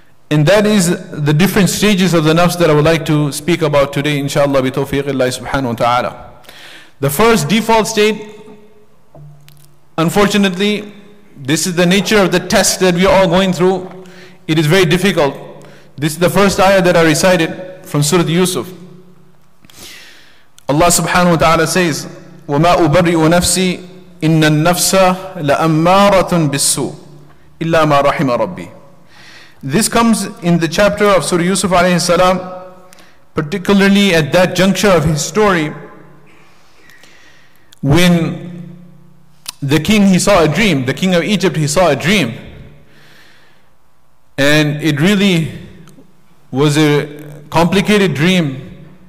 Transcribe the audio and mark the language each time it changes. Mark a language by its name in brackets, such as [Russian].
[English] And that is the different stages of the nafs that I would like to speak about today, inshallah, bi tawfiqillah subhanahu wa ta'ala. The first default state, unfortunately, this is the nature of the test that we are all going through. It is very difficult. This is the first ayah that I recited from Surah Yusuf. Allah subhanahu wa ta'ala says, [Arabic] وَمَا أُبَرِّئُ نَفْسِي إِنَّ النَّفْسَ لَأَمَّارَةٌ بِالسُّوءِ إِلَّا مَا رَحِمَ رَبِّي. [English] This comes in the chapter of Surah Yusuf alayhi salam, particularly at that juncture of his story, when the king, he saw a dream, the king of Egypt, he saw a dream. And it really was a complicated dream.